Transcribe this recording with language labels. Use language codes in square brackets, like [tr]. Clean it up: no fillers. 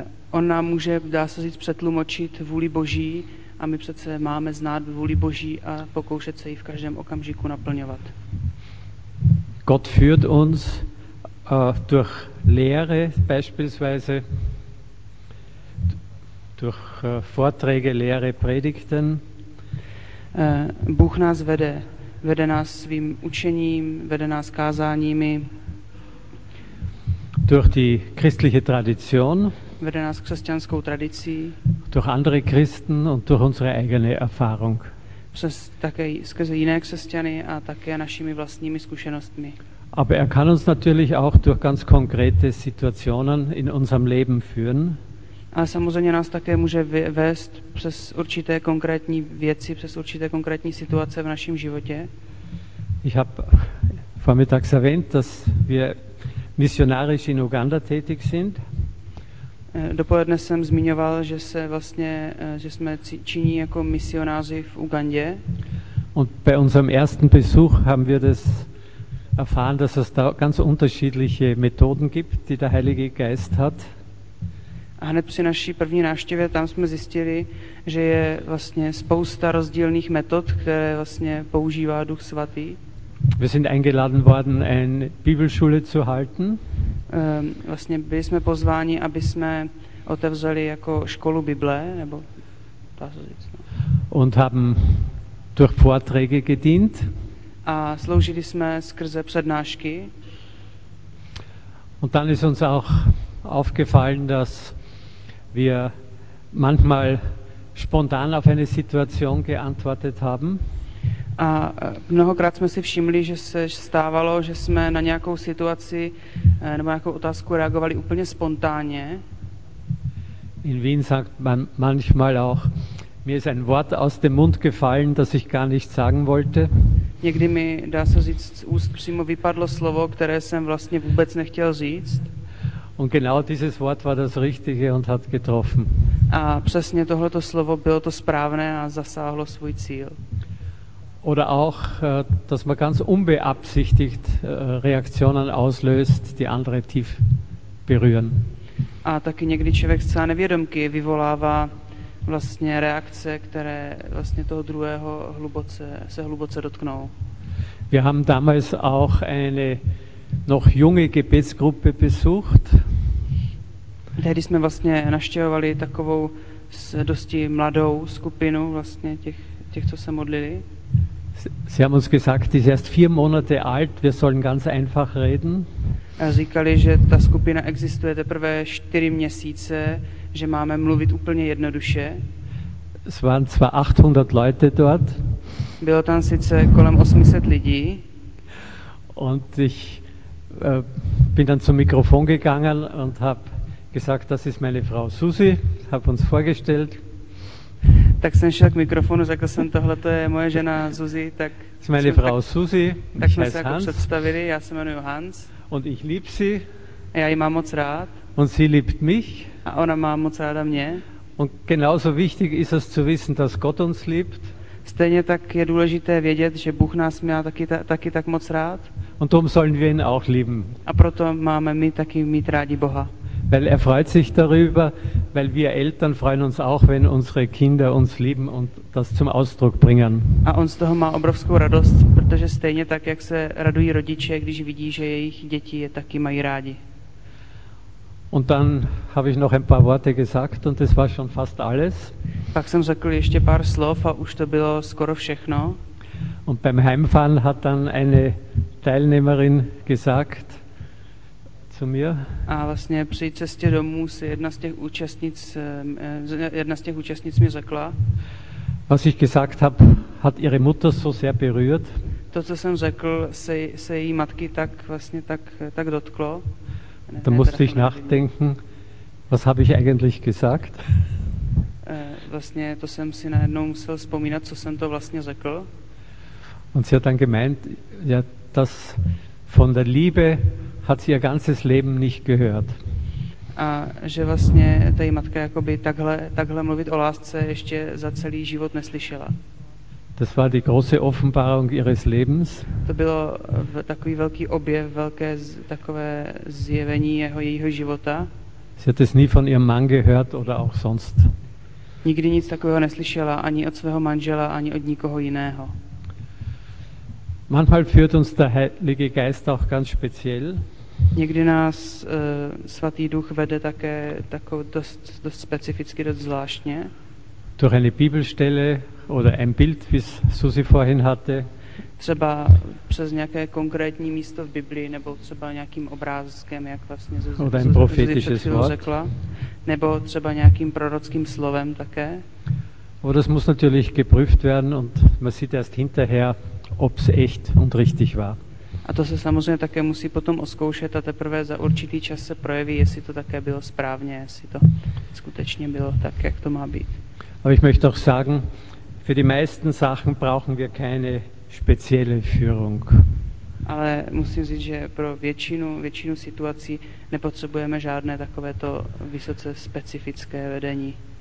[cs] On nám může, dá se říct, přetlumočit vůli Boží a my přece máme znát vůli Boží a pokoušet se ji v každém okamžiku naplňovat. [de] Gott führt uns durch Lehre beispielsweise, durch Vorträge, Lehre, Predigten. [cs] Bůh nás vede. Vede nás svým učením, vede nás kázáními. [de] Durch die christliche Tradition. [cs] Vede nás křesťanskou tradicí. [de] Durch andere Christen und durch unsere eigene Erfahrung. [cs] Skrze jiné křesťany a také našimi vlastními zkušenostmi. [de] Aber er kann uns natürlich auch durch ganz konkrete Situationen in unserem Leben führen. [cs] Ale samozřejmě nás také může vést přes určité konkrétní věci, přes určité konkrétní situace v našem životě. [de] Ich habe vormittags erwähnt, dass wir missionarisch in Uganda tätig sind. [cs] Dopoledne jsem zmiňoval, že se vlastně, že jsme činí jako misionáři v Ugandě. [de] Und bei unserem ersten Besuch haben wir das erfahren, dass es da ganz unterschiedliche Methoden gibt, die der Heilige Geist hat. [cs] A hned při naší první návštěvě tam jsme zjistili, že je vlastně spousta rozdílných metod, které vlastně používá Duch svatý. [de] Wir sind eingeladen worden, eine Bibelschule zu halten. [cs] Vlastně byli jsme pozváni, aby jsme otevřeli jako školu Bible, nebo dá se říct. No. [de] Und haben durch Vorträge gedient. [cs] A sloužili jsme skrze přednášky. [de] Und dann ist uns auch aufgefallen, dass wir manchmal spontan auf eine Situation geantwortet haben. [cs] A mnohokrát jsme si všimli, že se stávalo, že jsme na nějakou situaci nebo nějakou otázku reagovali úplně spontánně. [de] In Wien sagt man manchmal auch, mir ist ein Wort aus dem Mund gefallen, das ich gar nicht sagen wollte. [cs] Někdy mi, dá se říct, z úst přímo vypadlo slovo, které jsem vlastně vůbec nechtěl říct. [de] Und genau dieses Wort war das richtige und hat getroffen. [cs] A přesně tohleto slovo bylo to správné a zasáhlo svůj cíl. [de] Oder auch, dass man ganz unbeabsichtigt Reaktionen auslöst, die andere tief berühren. [cs] A taky někdy člověk zcela nevědomky vyvolává vlastně reakce, které vlastně toho druhého hluboce, se hluboce dotknou. [de] Wir haben damals auch eine noch junge Gebetsgruppe besucht. [cs] Tehdy jsme vlastně navštěvovali takovou dosti mladou skupinu vlastně těch, co se modlili. [de] Sie haben uns gesagt, die ist erst 4 Monate alt, wir sollen ganz einfach reden. [cs] A říkali, že ta skupina existuje teprve 4 měsíce, že máme mluvit úplně jednoduše. [de] Es waren zwar 800 Leute dort. [cs] Bylo tam sice kolem 800 lidí. [de] Und ich bin dann zum Mikrofon gegangen und habe gesagt, das ist meine Frau Susi, habe uns vorgestellt. [cs] Tak jsem šel k mikrofonu, řekl jsem, tohle to je moje žena Susi, tak jsme se Frau Susi, tak jsme se jako představili, já se jmenuji Hans. [de] Und ich lieb sie. [cs] A já ji mám moc rád. [de] Und sie liebt mich. [cs] A ona má moc ráda mě. [de] Und genauso wichtig ist es zu wissen, dass Gott uns liebt. [cs] Stejně tak je důležité vědět, že Bůh nás má taky tak moc rád. [de] Und darum sollen wir ihn auch lieben. [cs] A proto máme my taky mít rádi Boha. [de] Weil er freut sich darüber, weil wir Eltern freuen uns auch, wenn unsere Kinder uns lieben und das zum Ausdruck bringen. [cs] A on z toho má obrovskou radost, protože stejně tak, jak se radují rodiče, když vidí, že jejich děti je taky mají rádi. [de] Und dann habe ich noch ein paar Worte gesagt und das war schon fast alles. [cs] Pak jsem řekl ještě pár slov a už to bylo skoro všechno. [de] Und beim Heimfahren hat dann eine Teilnehmerin gesagt, [cs] a vlastně při cestě domů si jedna z těch účastnic mi řekla. [de] Was ich gesagt habe, hat ihre Mutter so sehr berührt. [cs] To, co jsem řekl, se její matky tak vlastně tak dotklo. [de] Da musste ich nachdenken, was habe ich eigentlich gesagt? [cs] Vlastně to jsem si najednou musel vzpomínat, co jsem to vlastně řekl. [de] Und sie hat dann gemeint, ja, dass von der Liebe hat sie ihr ganzes Leben nicht gehört. [cs] A že vlastně ta její matka jakoby takhle mluvit o lásce ještě za celý život neslyšela. [de] Das war die große Offenbarung ihres Lebens. [cs] To bylo takový velký objev, velké takové zjevení jejího života. [de] Sie hat es nie von ihrem Mann gehört oder auch sonst. [cs] Nikdy nic takového neslyšela ani od svého manžela, ani od nikoho jiného. [de] Manchmal führt uns der Heilige Geist auch ganz speziell. [cs] Někdy nás svatý duch vede také takou dost specificky, dost zvláštně. [de] Durch eine Bibelstelle oder ein Bild, wie Susi vorhin hatte. [cs] Třeba přes nějaké konkrétní místo v Biblii nebo třeba nějakým obrázkem, jak vlastně [de] Susi prophetisches Wort [cs] řekla, nebo třeba nějakým prorockým slovem také. [de] Aber das muss natürlich geprüft werden und man sieht erst hinterher, ob es echt und richtig war. [cs] A to se samozřejmě také musí potom oskoušet a teprve za určitý čas se projeví, jestli to také bylo správně, jestli to skutečně bylo tak, jak to má být. [de] Aber ich möchte auch sagen, für die meisten Sachen brauchen wir keine spezielle Führung. [cs] Ale musím říct, že pro většinu situací nepotřebujeme žádné takovéto vysoce specifické vedení.